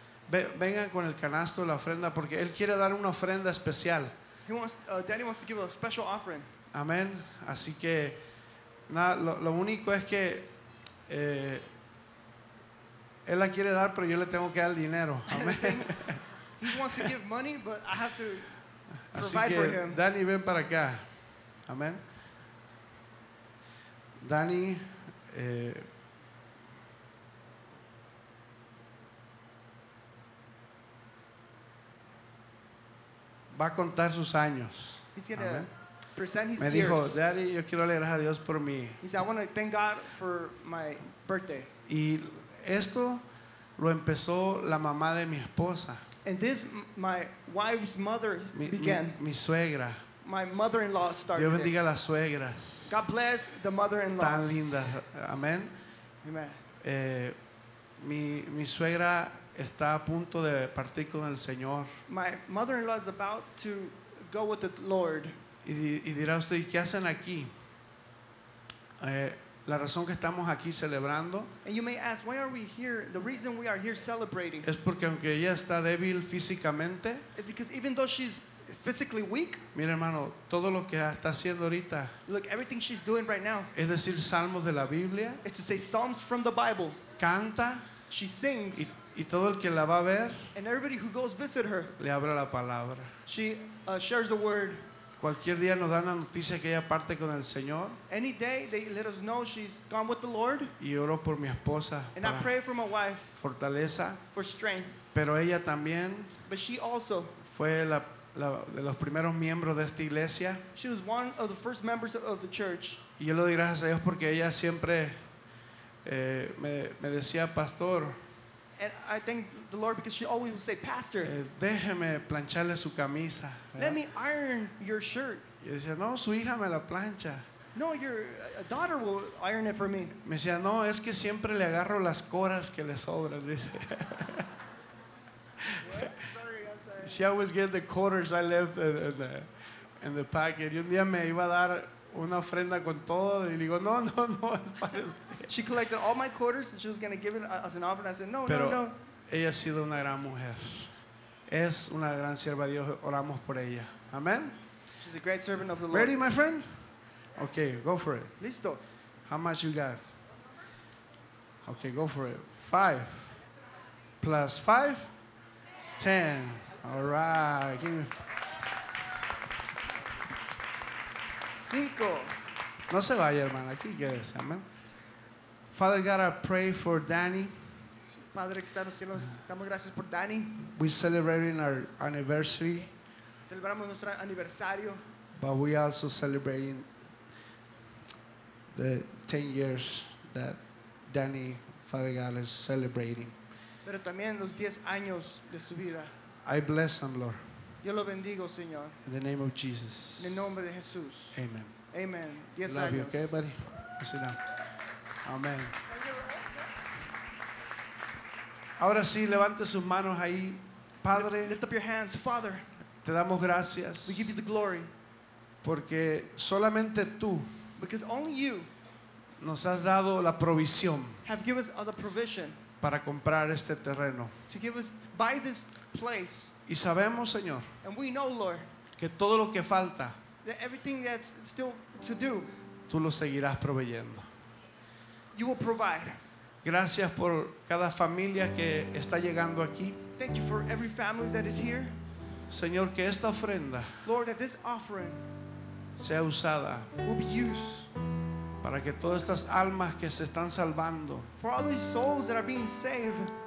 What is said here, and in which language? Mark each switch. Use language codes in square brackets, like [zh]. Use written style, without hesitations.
[es] Vengan con el canasto, la ofrenda, porque él quiere dar una ofrenda especial. [en] Danny wants to give a special offering. [es] Amén. Así que, nada, lo único es que él la quiere dar, pero yo le tengo que dar el dinero. Amén. [en] He wants to give money, but I have to. [es] Así que, Dani, ven para acá. Amén. Dani, va a contar sus años. [en] He's gonna present his me years. [es] Dijo, Daddy, yo quiero leer a Dios por mí. [en] He said, I want to thank God for my birthday. [es] Y esto lo empezó la mamá de mi esposa. [en] And this, my wife's mother began. [es] Mi suegra. [en] My mother-in-law started. [es] Dios bendiga [en] it. [es] Las suegras. [en] God bless the mother-in-laws. [es] Tan lindas. Amén. [en] Amen. [es] Mi suegra está a punto de partir con el Señor. [en] My mother-in-law is about to go with the Lord. [es] Y dirá usted, ¿qué hacen aquí? La razón que estamos aquí celebrando. [en] And you may ask, why are we here? The reason we are here celebrating. [es] Es porque aunque ella está débil físicamente. [en] It's because even though she's physically weak. [es] Mira, hermano, todo lo que está haciendo ahorita. [en] Look, everything she's doing right now. [es] Es decir, salmos de la Biblia. [en] It's to say psalms from the Bible. [es] Canta. [en] She sings. [es] Y todo el que la va a ver. [en] And everybody who goes visit her. [es] Le abre la palabra. [en] She shares the word. [es] Cualquier día nos dan la noticia que ella parte con el Señor. [en] Any day they let us know she's gone with the Lord. [es] Y oro por mi esposa. [en] And I pray for my wife. [es] Fortaleza. [en] For strength. [es] Pero ella también. [en] But she also. [es] Fue la de los primeros miembros de esta iglesia. [en] She was one of the first members of the church. [es] Y yo le doy gracias a Dios porque ella siempre me decía pastor. [en] And I thank the Lord because she always would say, Pastor, [es] déjeme plancharle su camisa, [en] let me iron your shirt. [es] Y decía, no, su hija me la plancha. [en] No, your daughter will iron it for me. [es] Me decía, no, es que siempre le agarro las coras que le sobran. Dice. [en] Sorry, she always gets the quarters I left in the packet. [es] Y un día me iba a dar una ofrenda con todo y digo no es para usted. [en] She collected all my quarters and she was going to give it as an offering. I said no. [es] Ella ha sido una gran mujer, es una gran sierva de Dios. Oramos por ella. Amen. [en] She's a great servant of the Lord. Ready, my friend? Okay, go for it. [es] Listo. [en] How much you got? Okay, go for it. 5. Plus 5? 10. All right. Give me. 5. [es] No se vaya, hermano. Aquí quédese. Amen. [en] Father God, I pray for Danny. [es] Padre que está en los cielos, damos gracias por Danny. [en] We're celebrating our anniversary. [es] Celebramos nuestro aniversario. [en] But we also celebrating the 10 years that Danny, Father God, is celebrating. [es] Pero también los 10 años de su vida. [en] I bless him, Lord. [es] Yo lo bendigo, Señor. [en] In the name of Jesus. [es] En el nombre de Jesús. [en] Amen. Amen. 10 Love you, okay, buddy? Sit down. Amen. [es] Ahora sí, levante sus manos ahí, Padre. [en] Lift up your hands, Father. [es] Te damos gracias. [en] We give you the glory. [es] Porque solamente tú. [en] Because only you. [es] Nos has dado la provisión. [en] Have given us the provision. [es] Para comprar este terreno. [en] To give us, buy this place. [es] Y sabemos, Señor. [en] And we know, Lord. [es] Que todo lo que falta. [en] That everything that's still to do. [es] Tú lo seguirás proveyendo. [en] You will provide. [es] Gracias por cada familia que está llegando aquí. [en] Thank you for every family that is here. [es] Señor, que esta ofrenda, [en] Lord, that this offering [es] sea usada, [en] will be used [es] para que todas estas almas que se están salvando, [en] for all these souls that are being saved,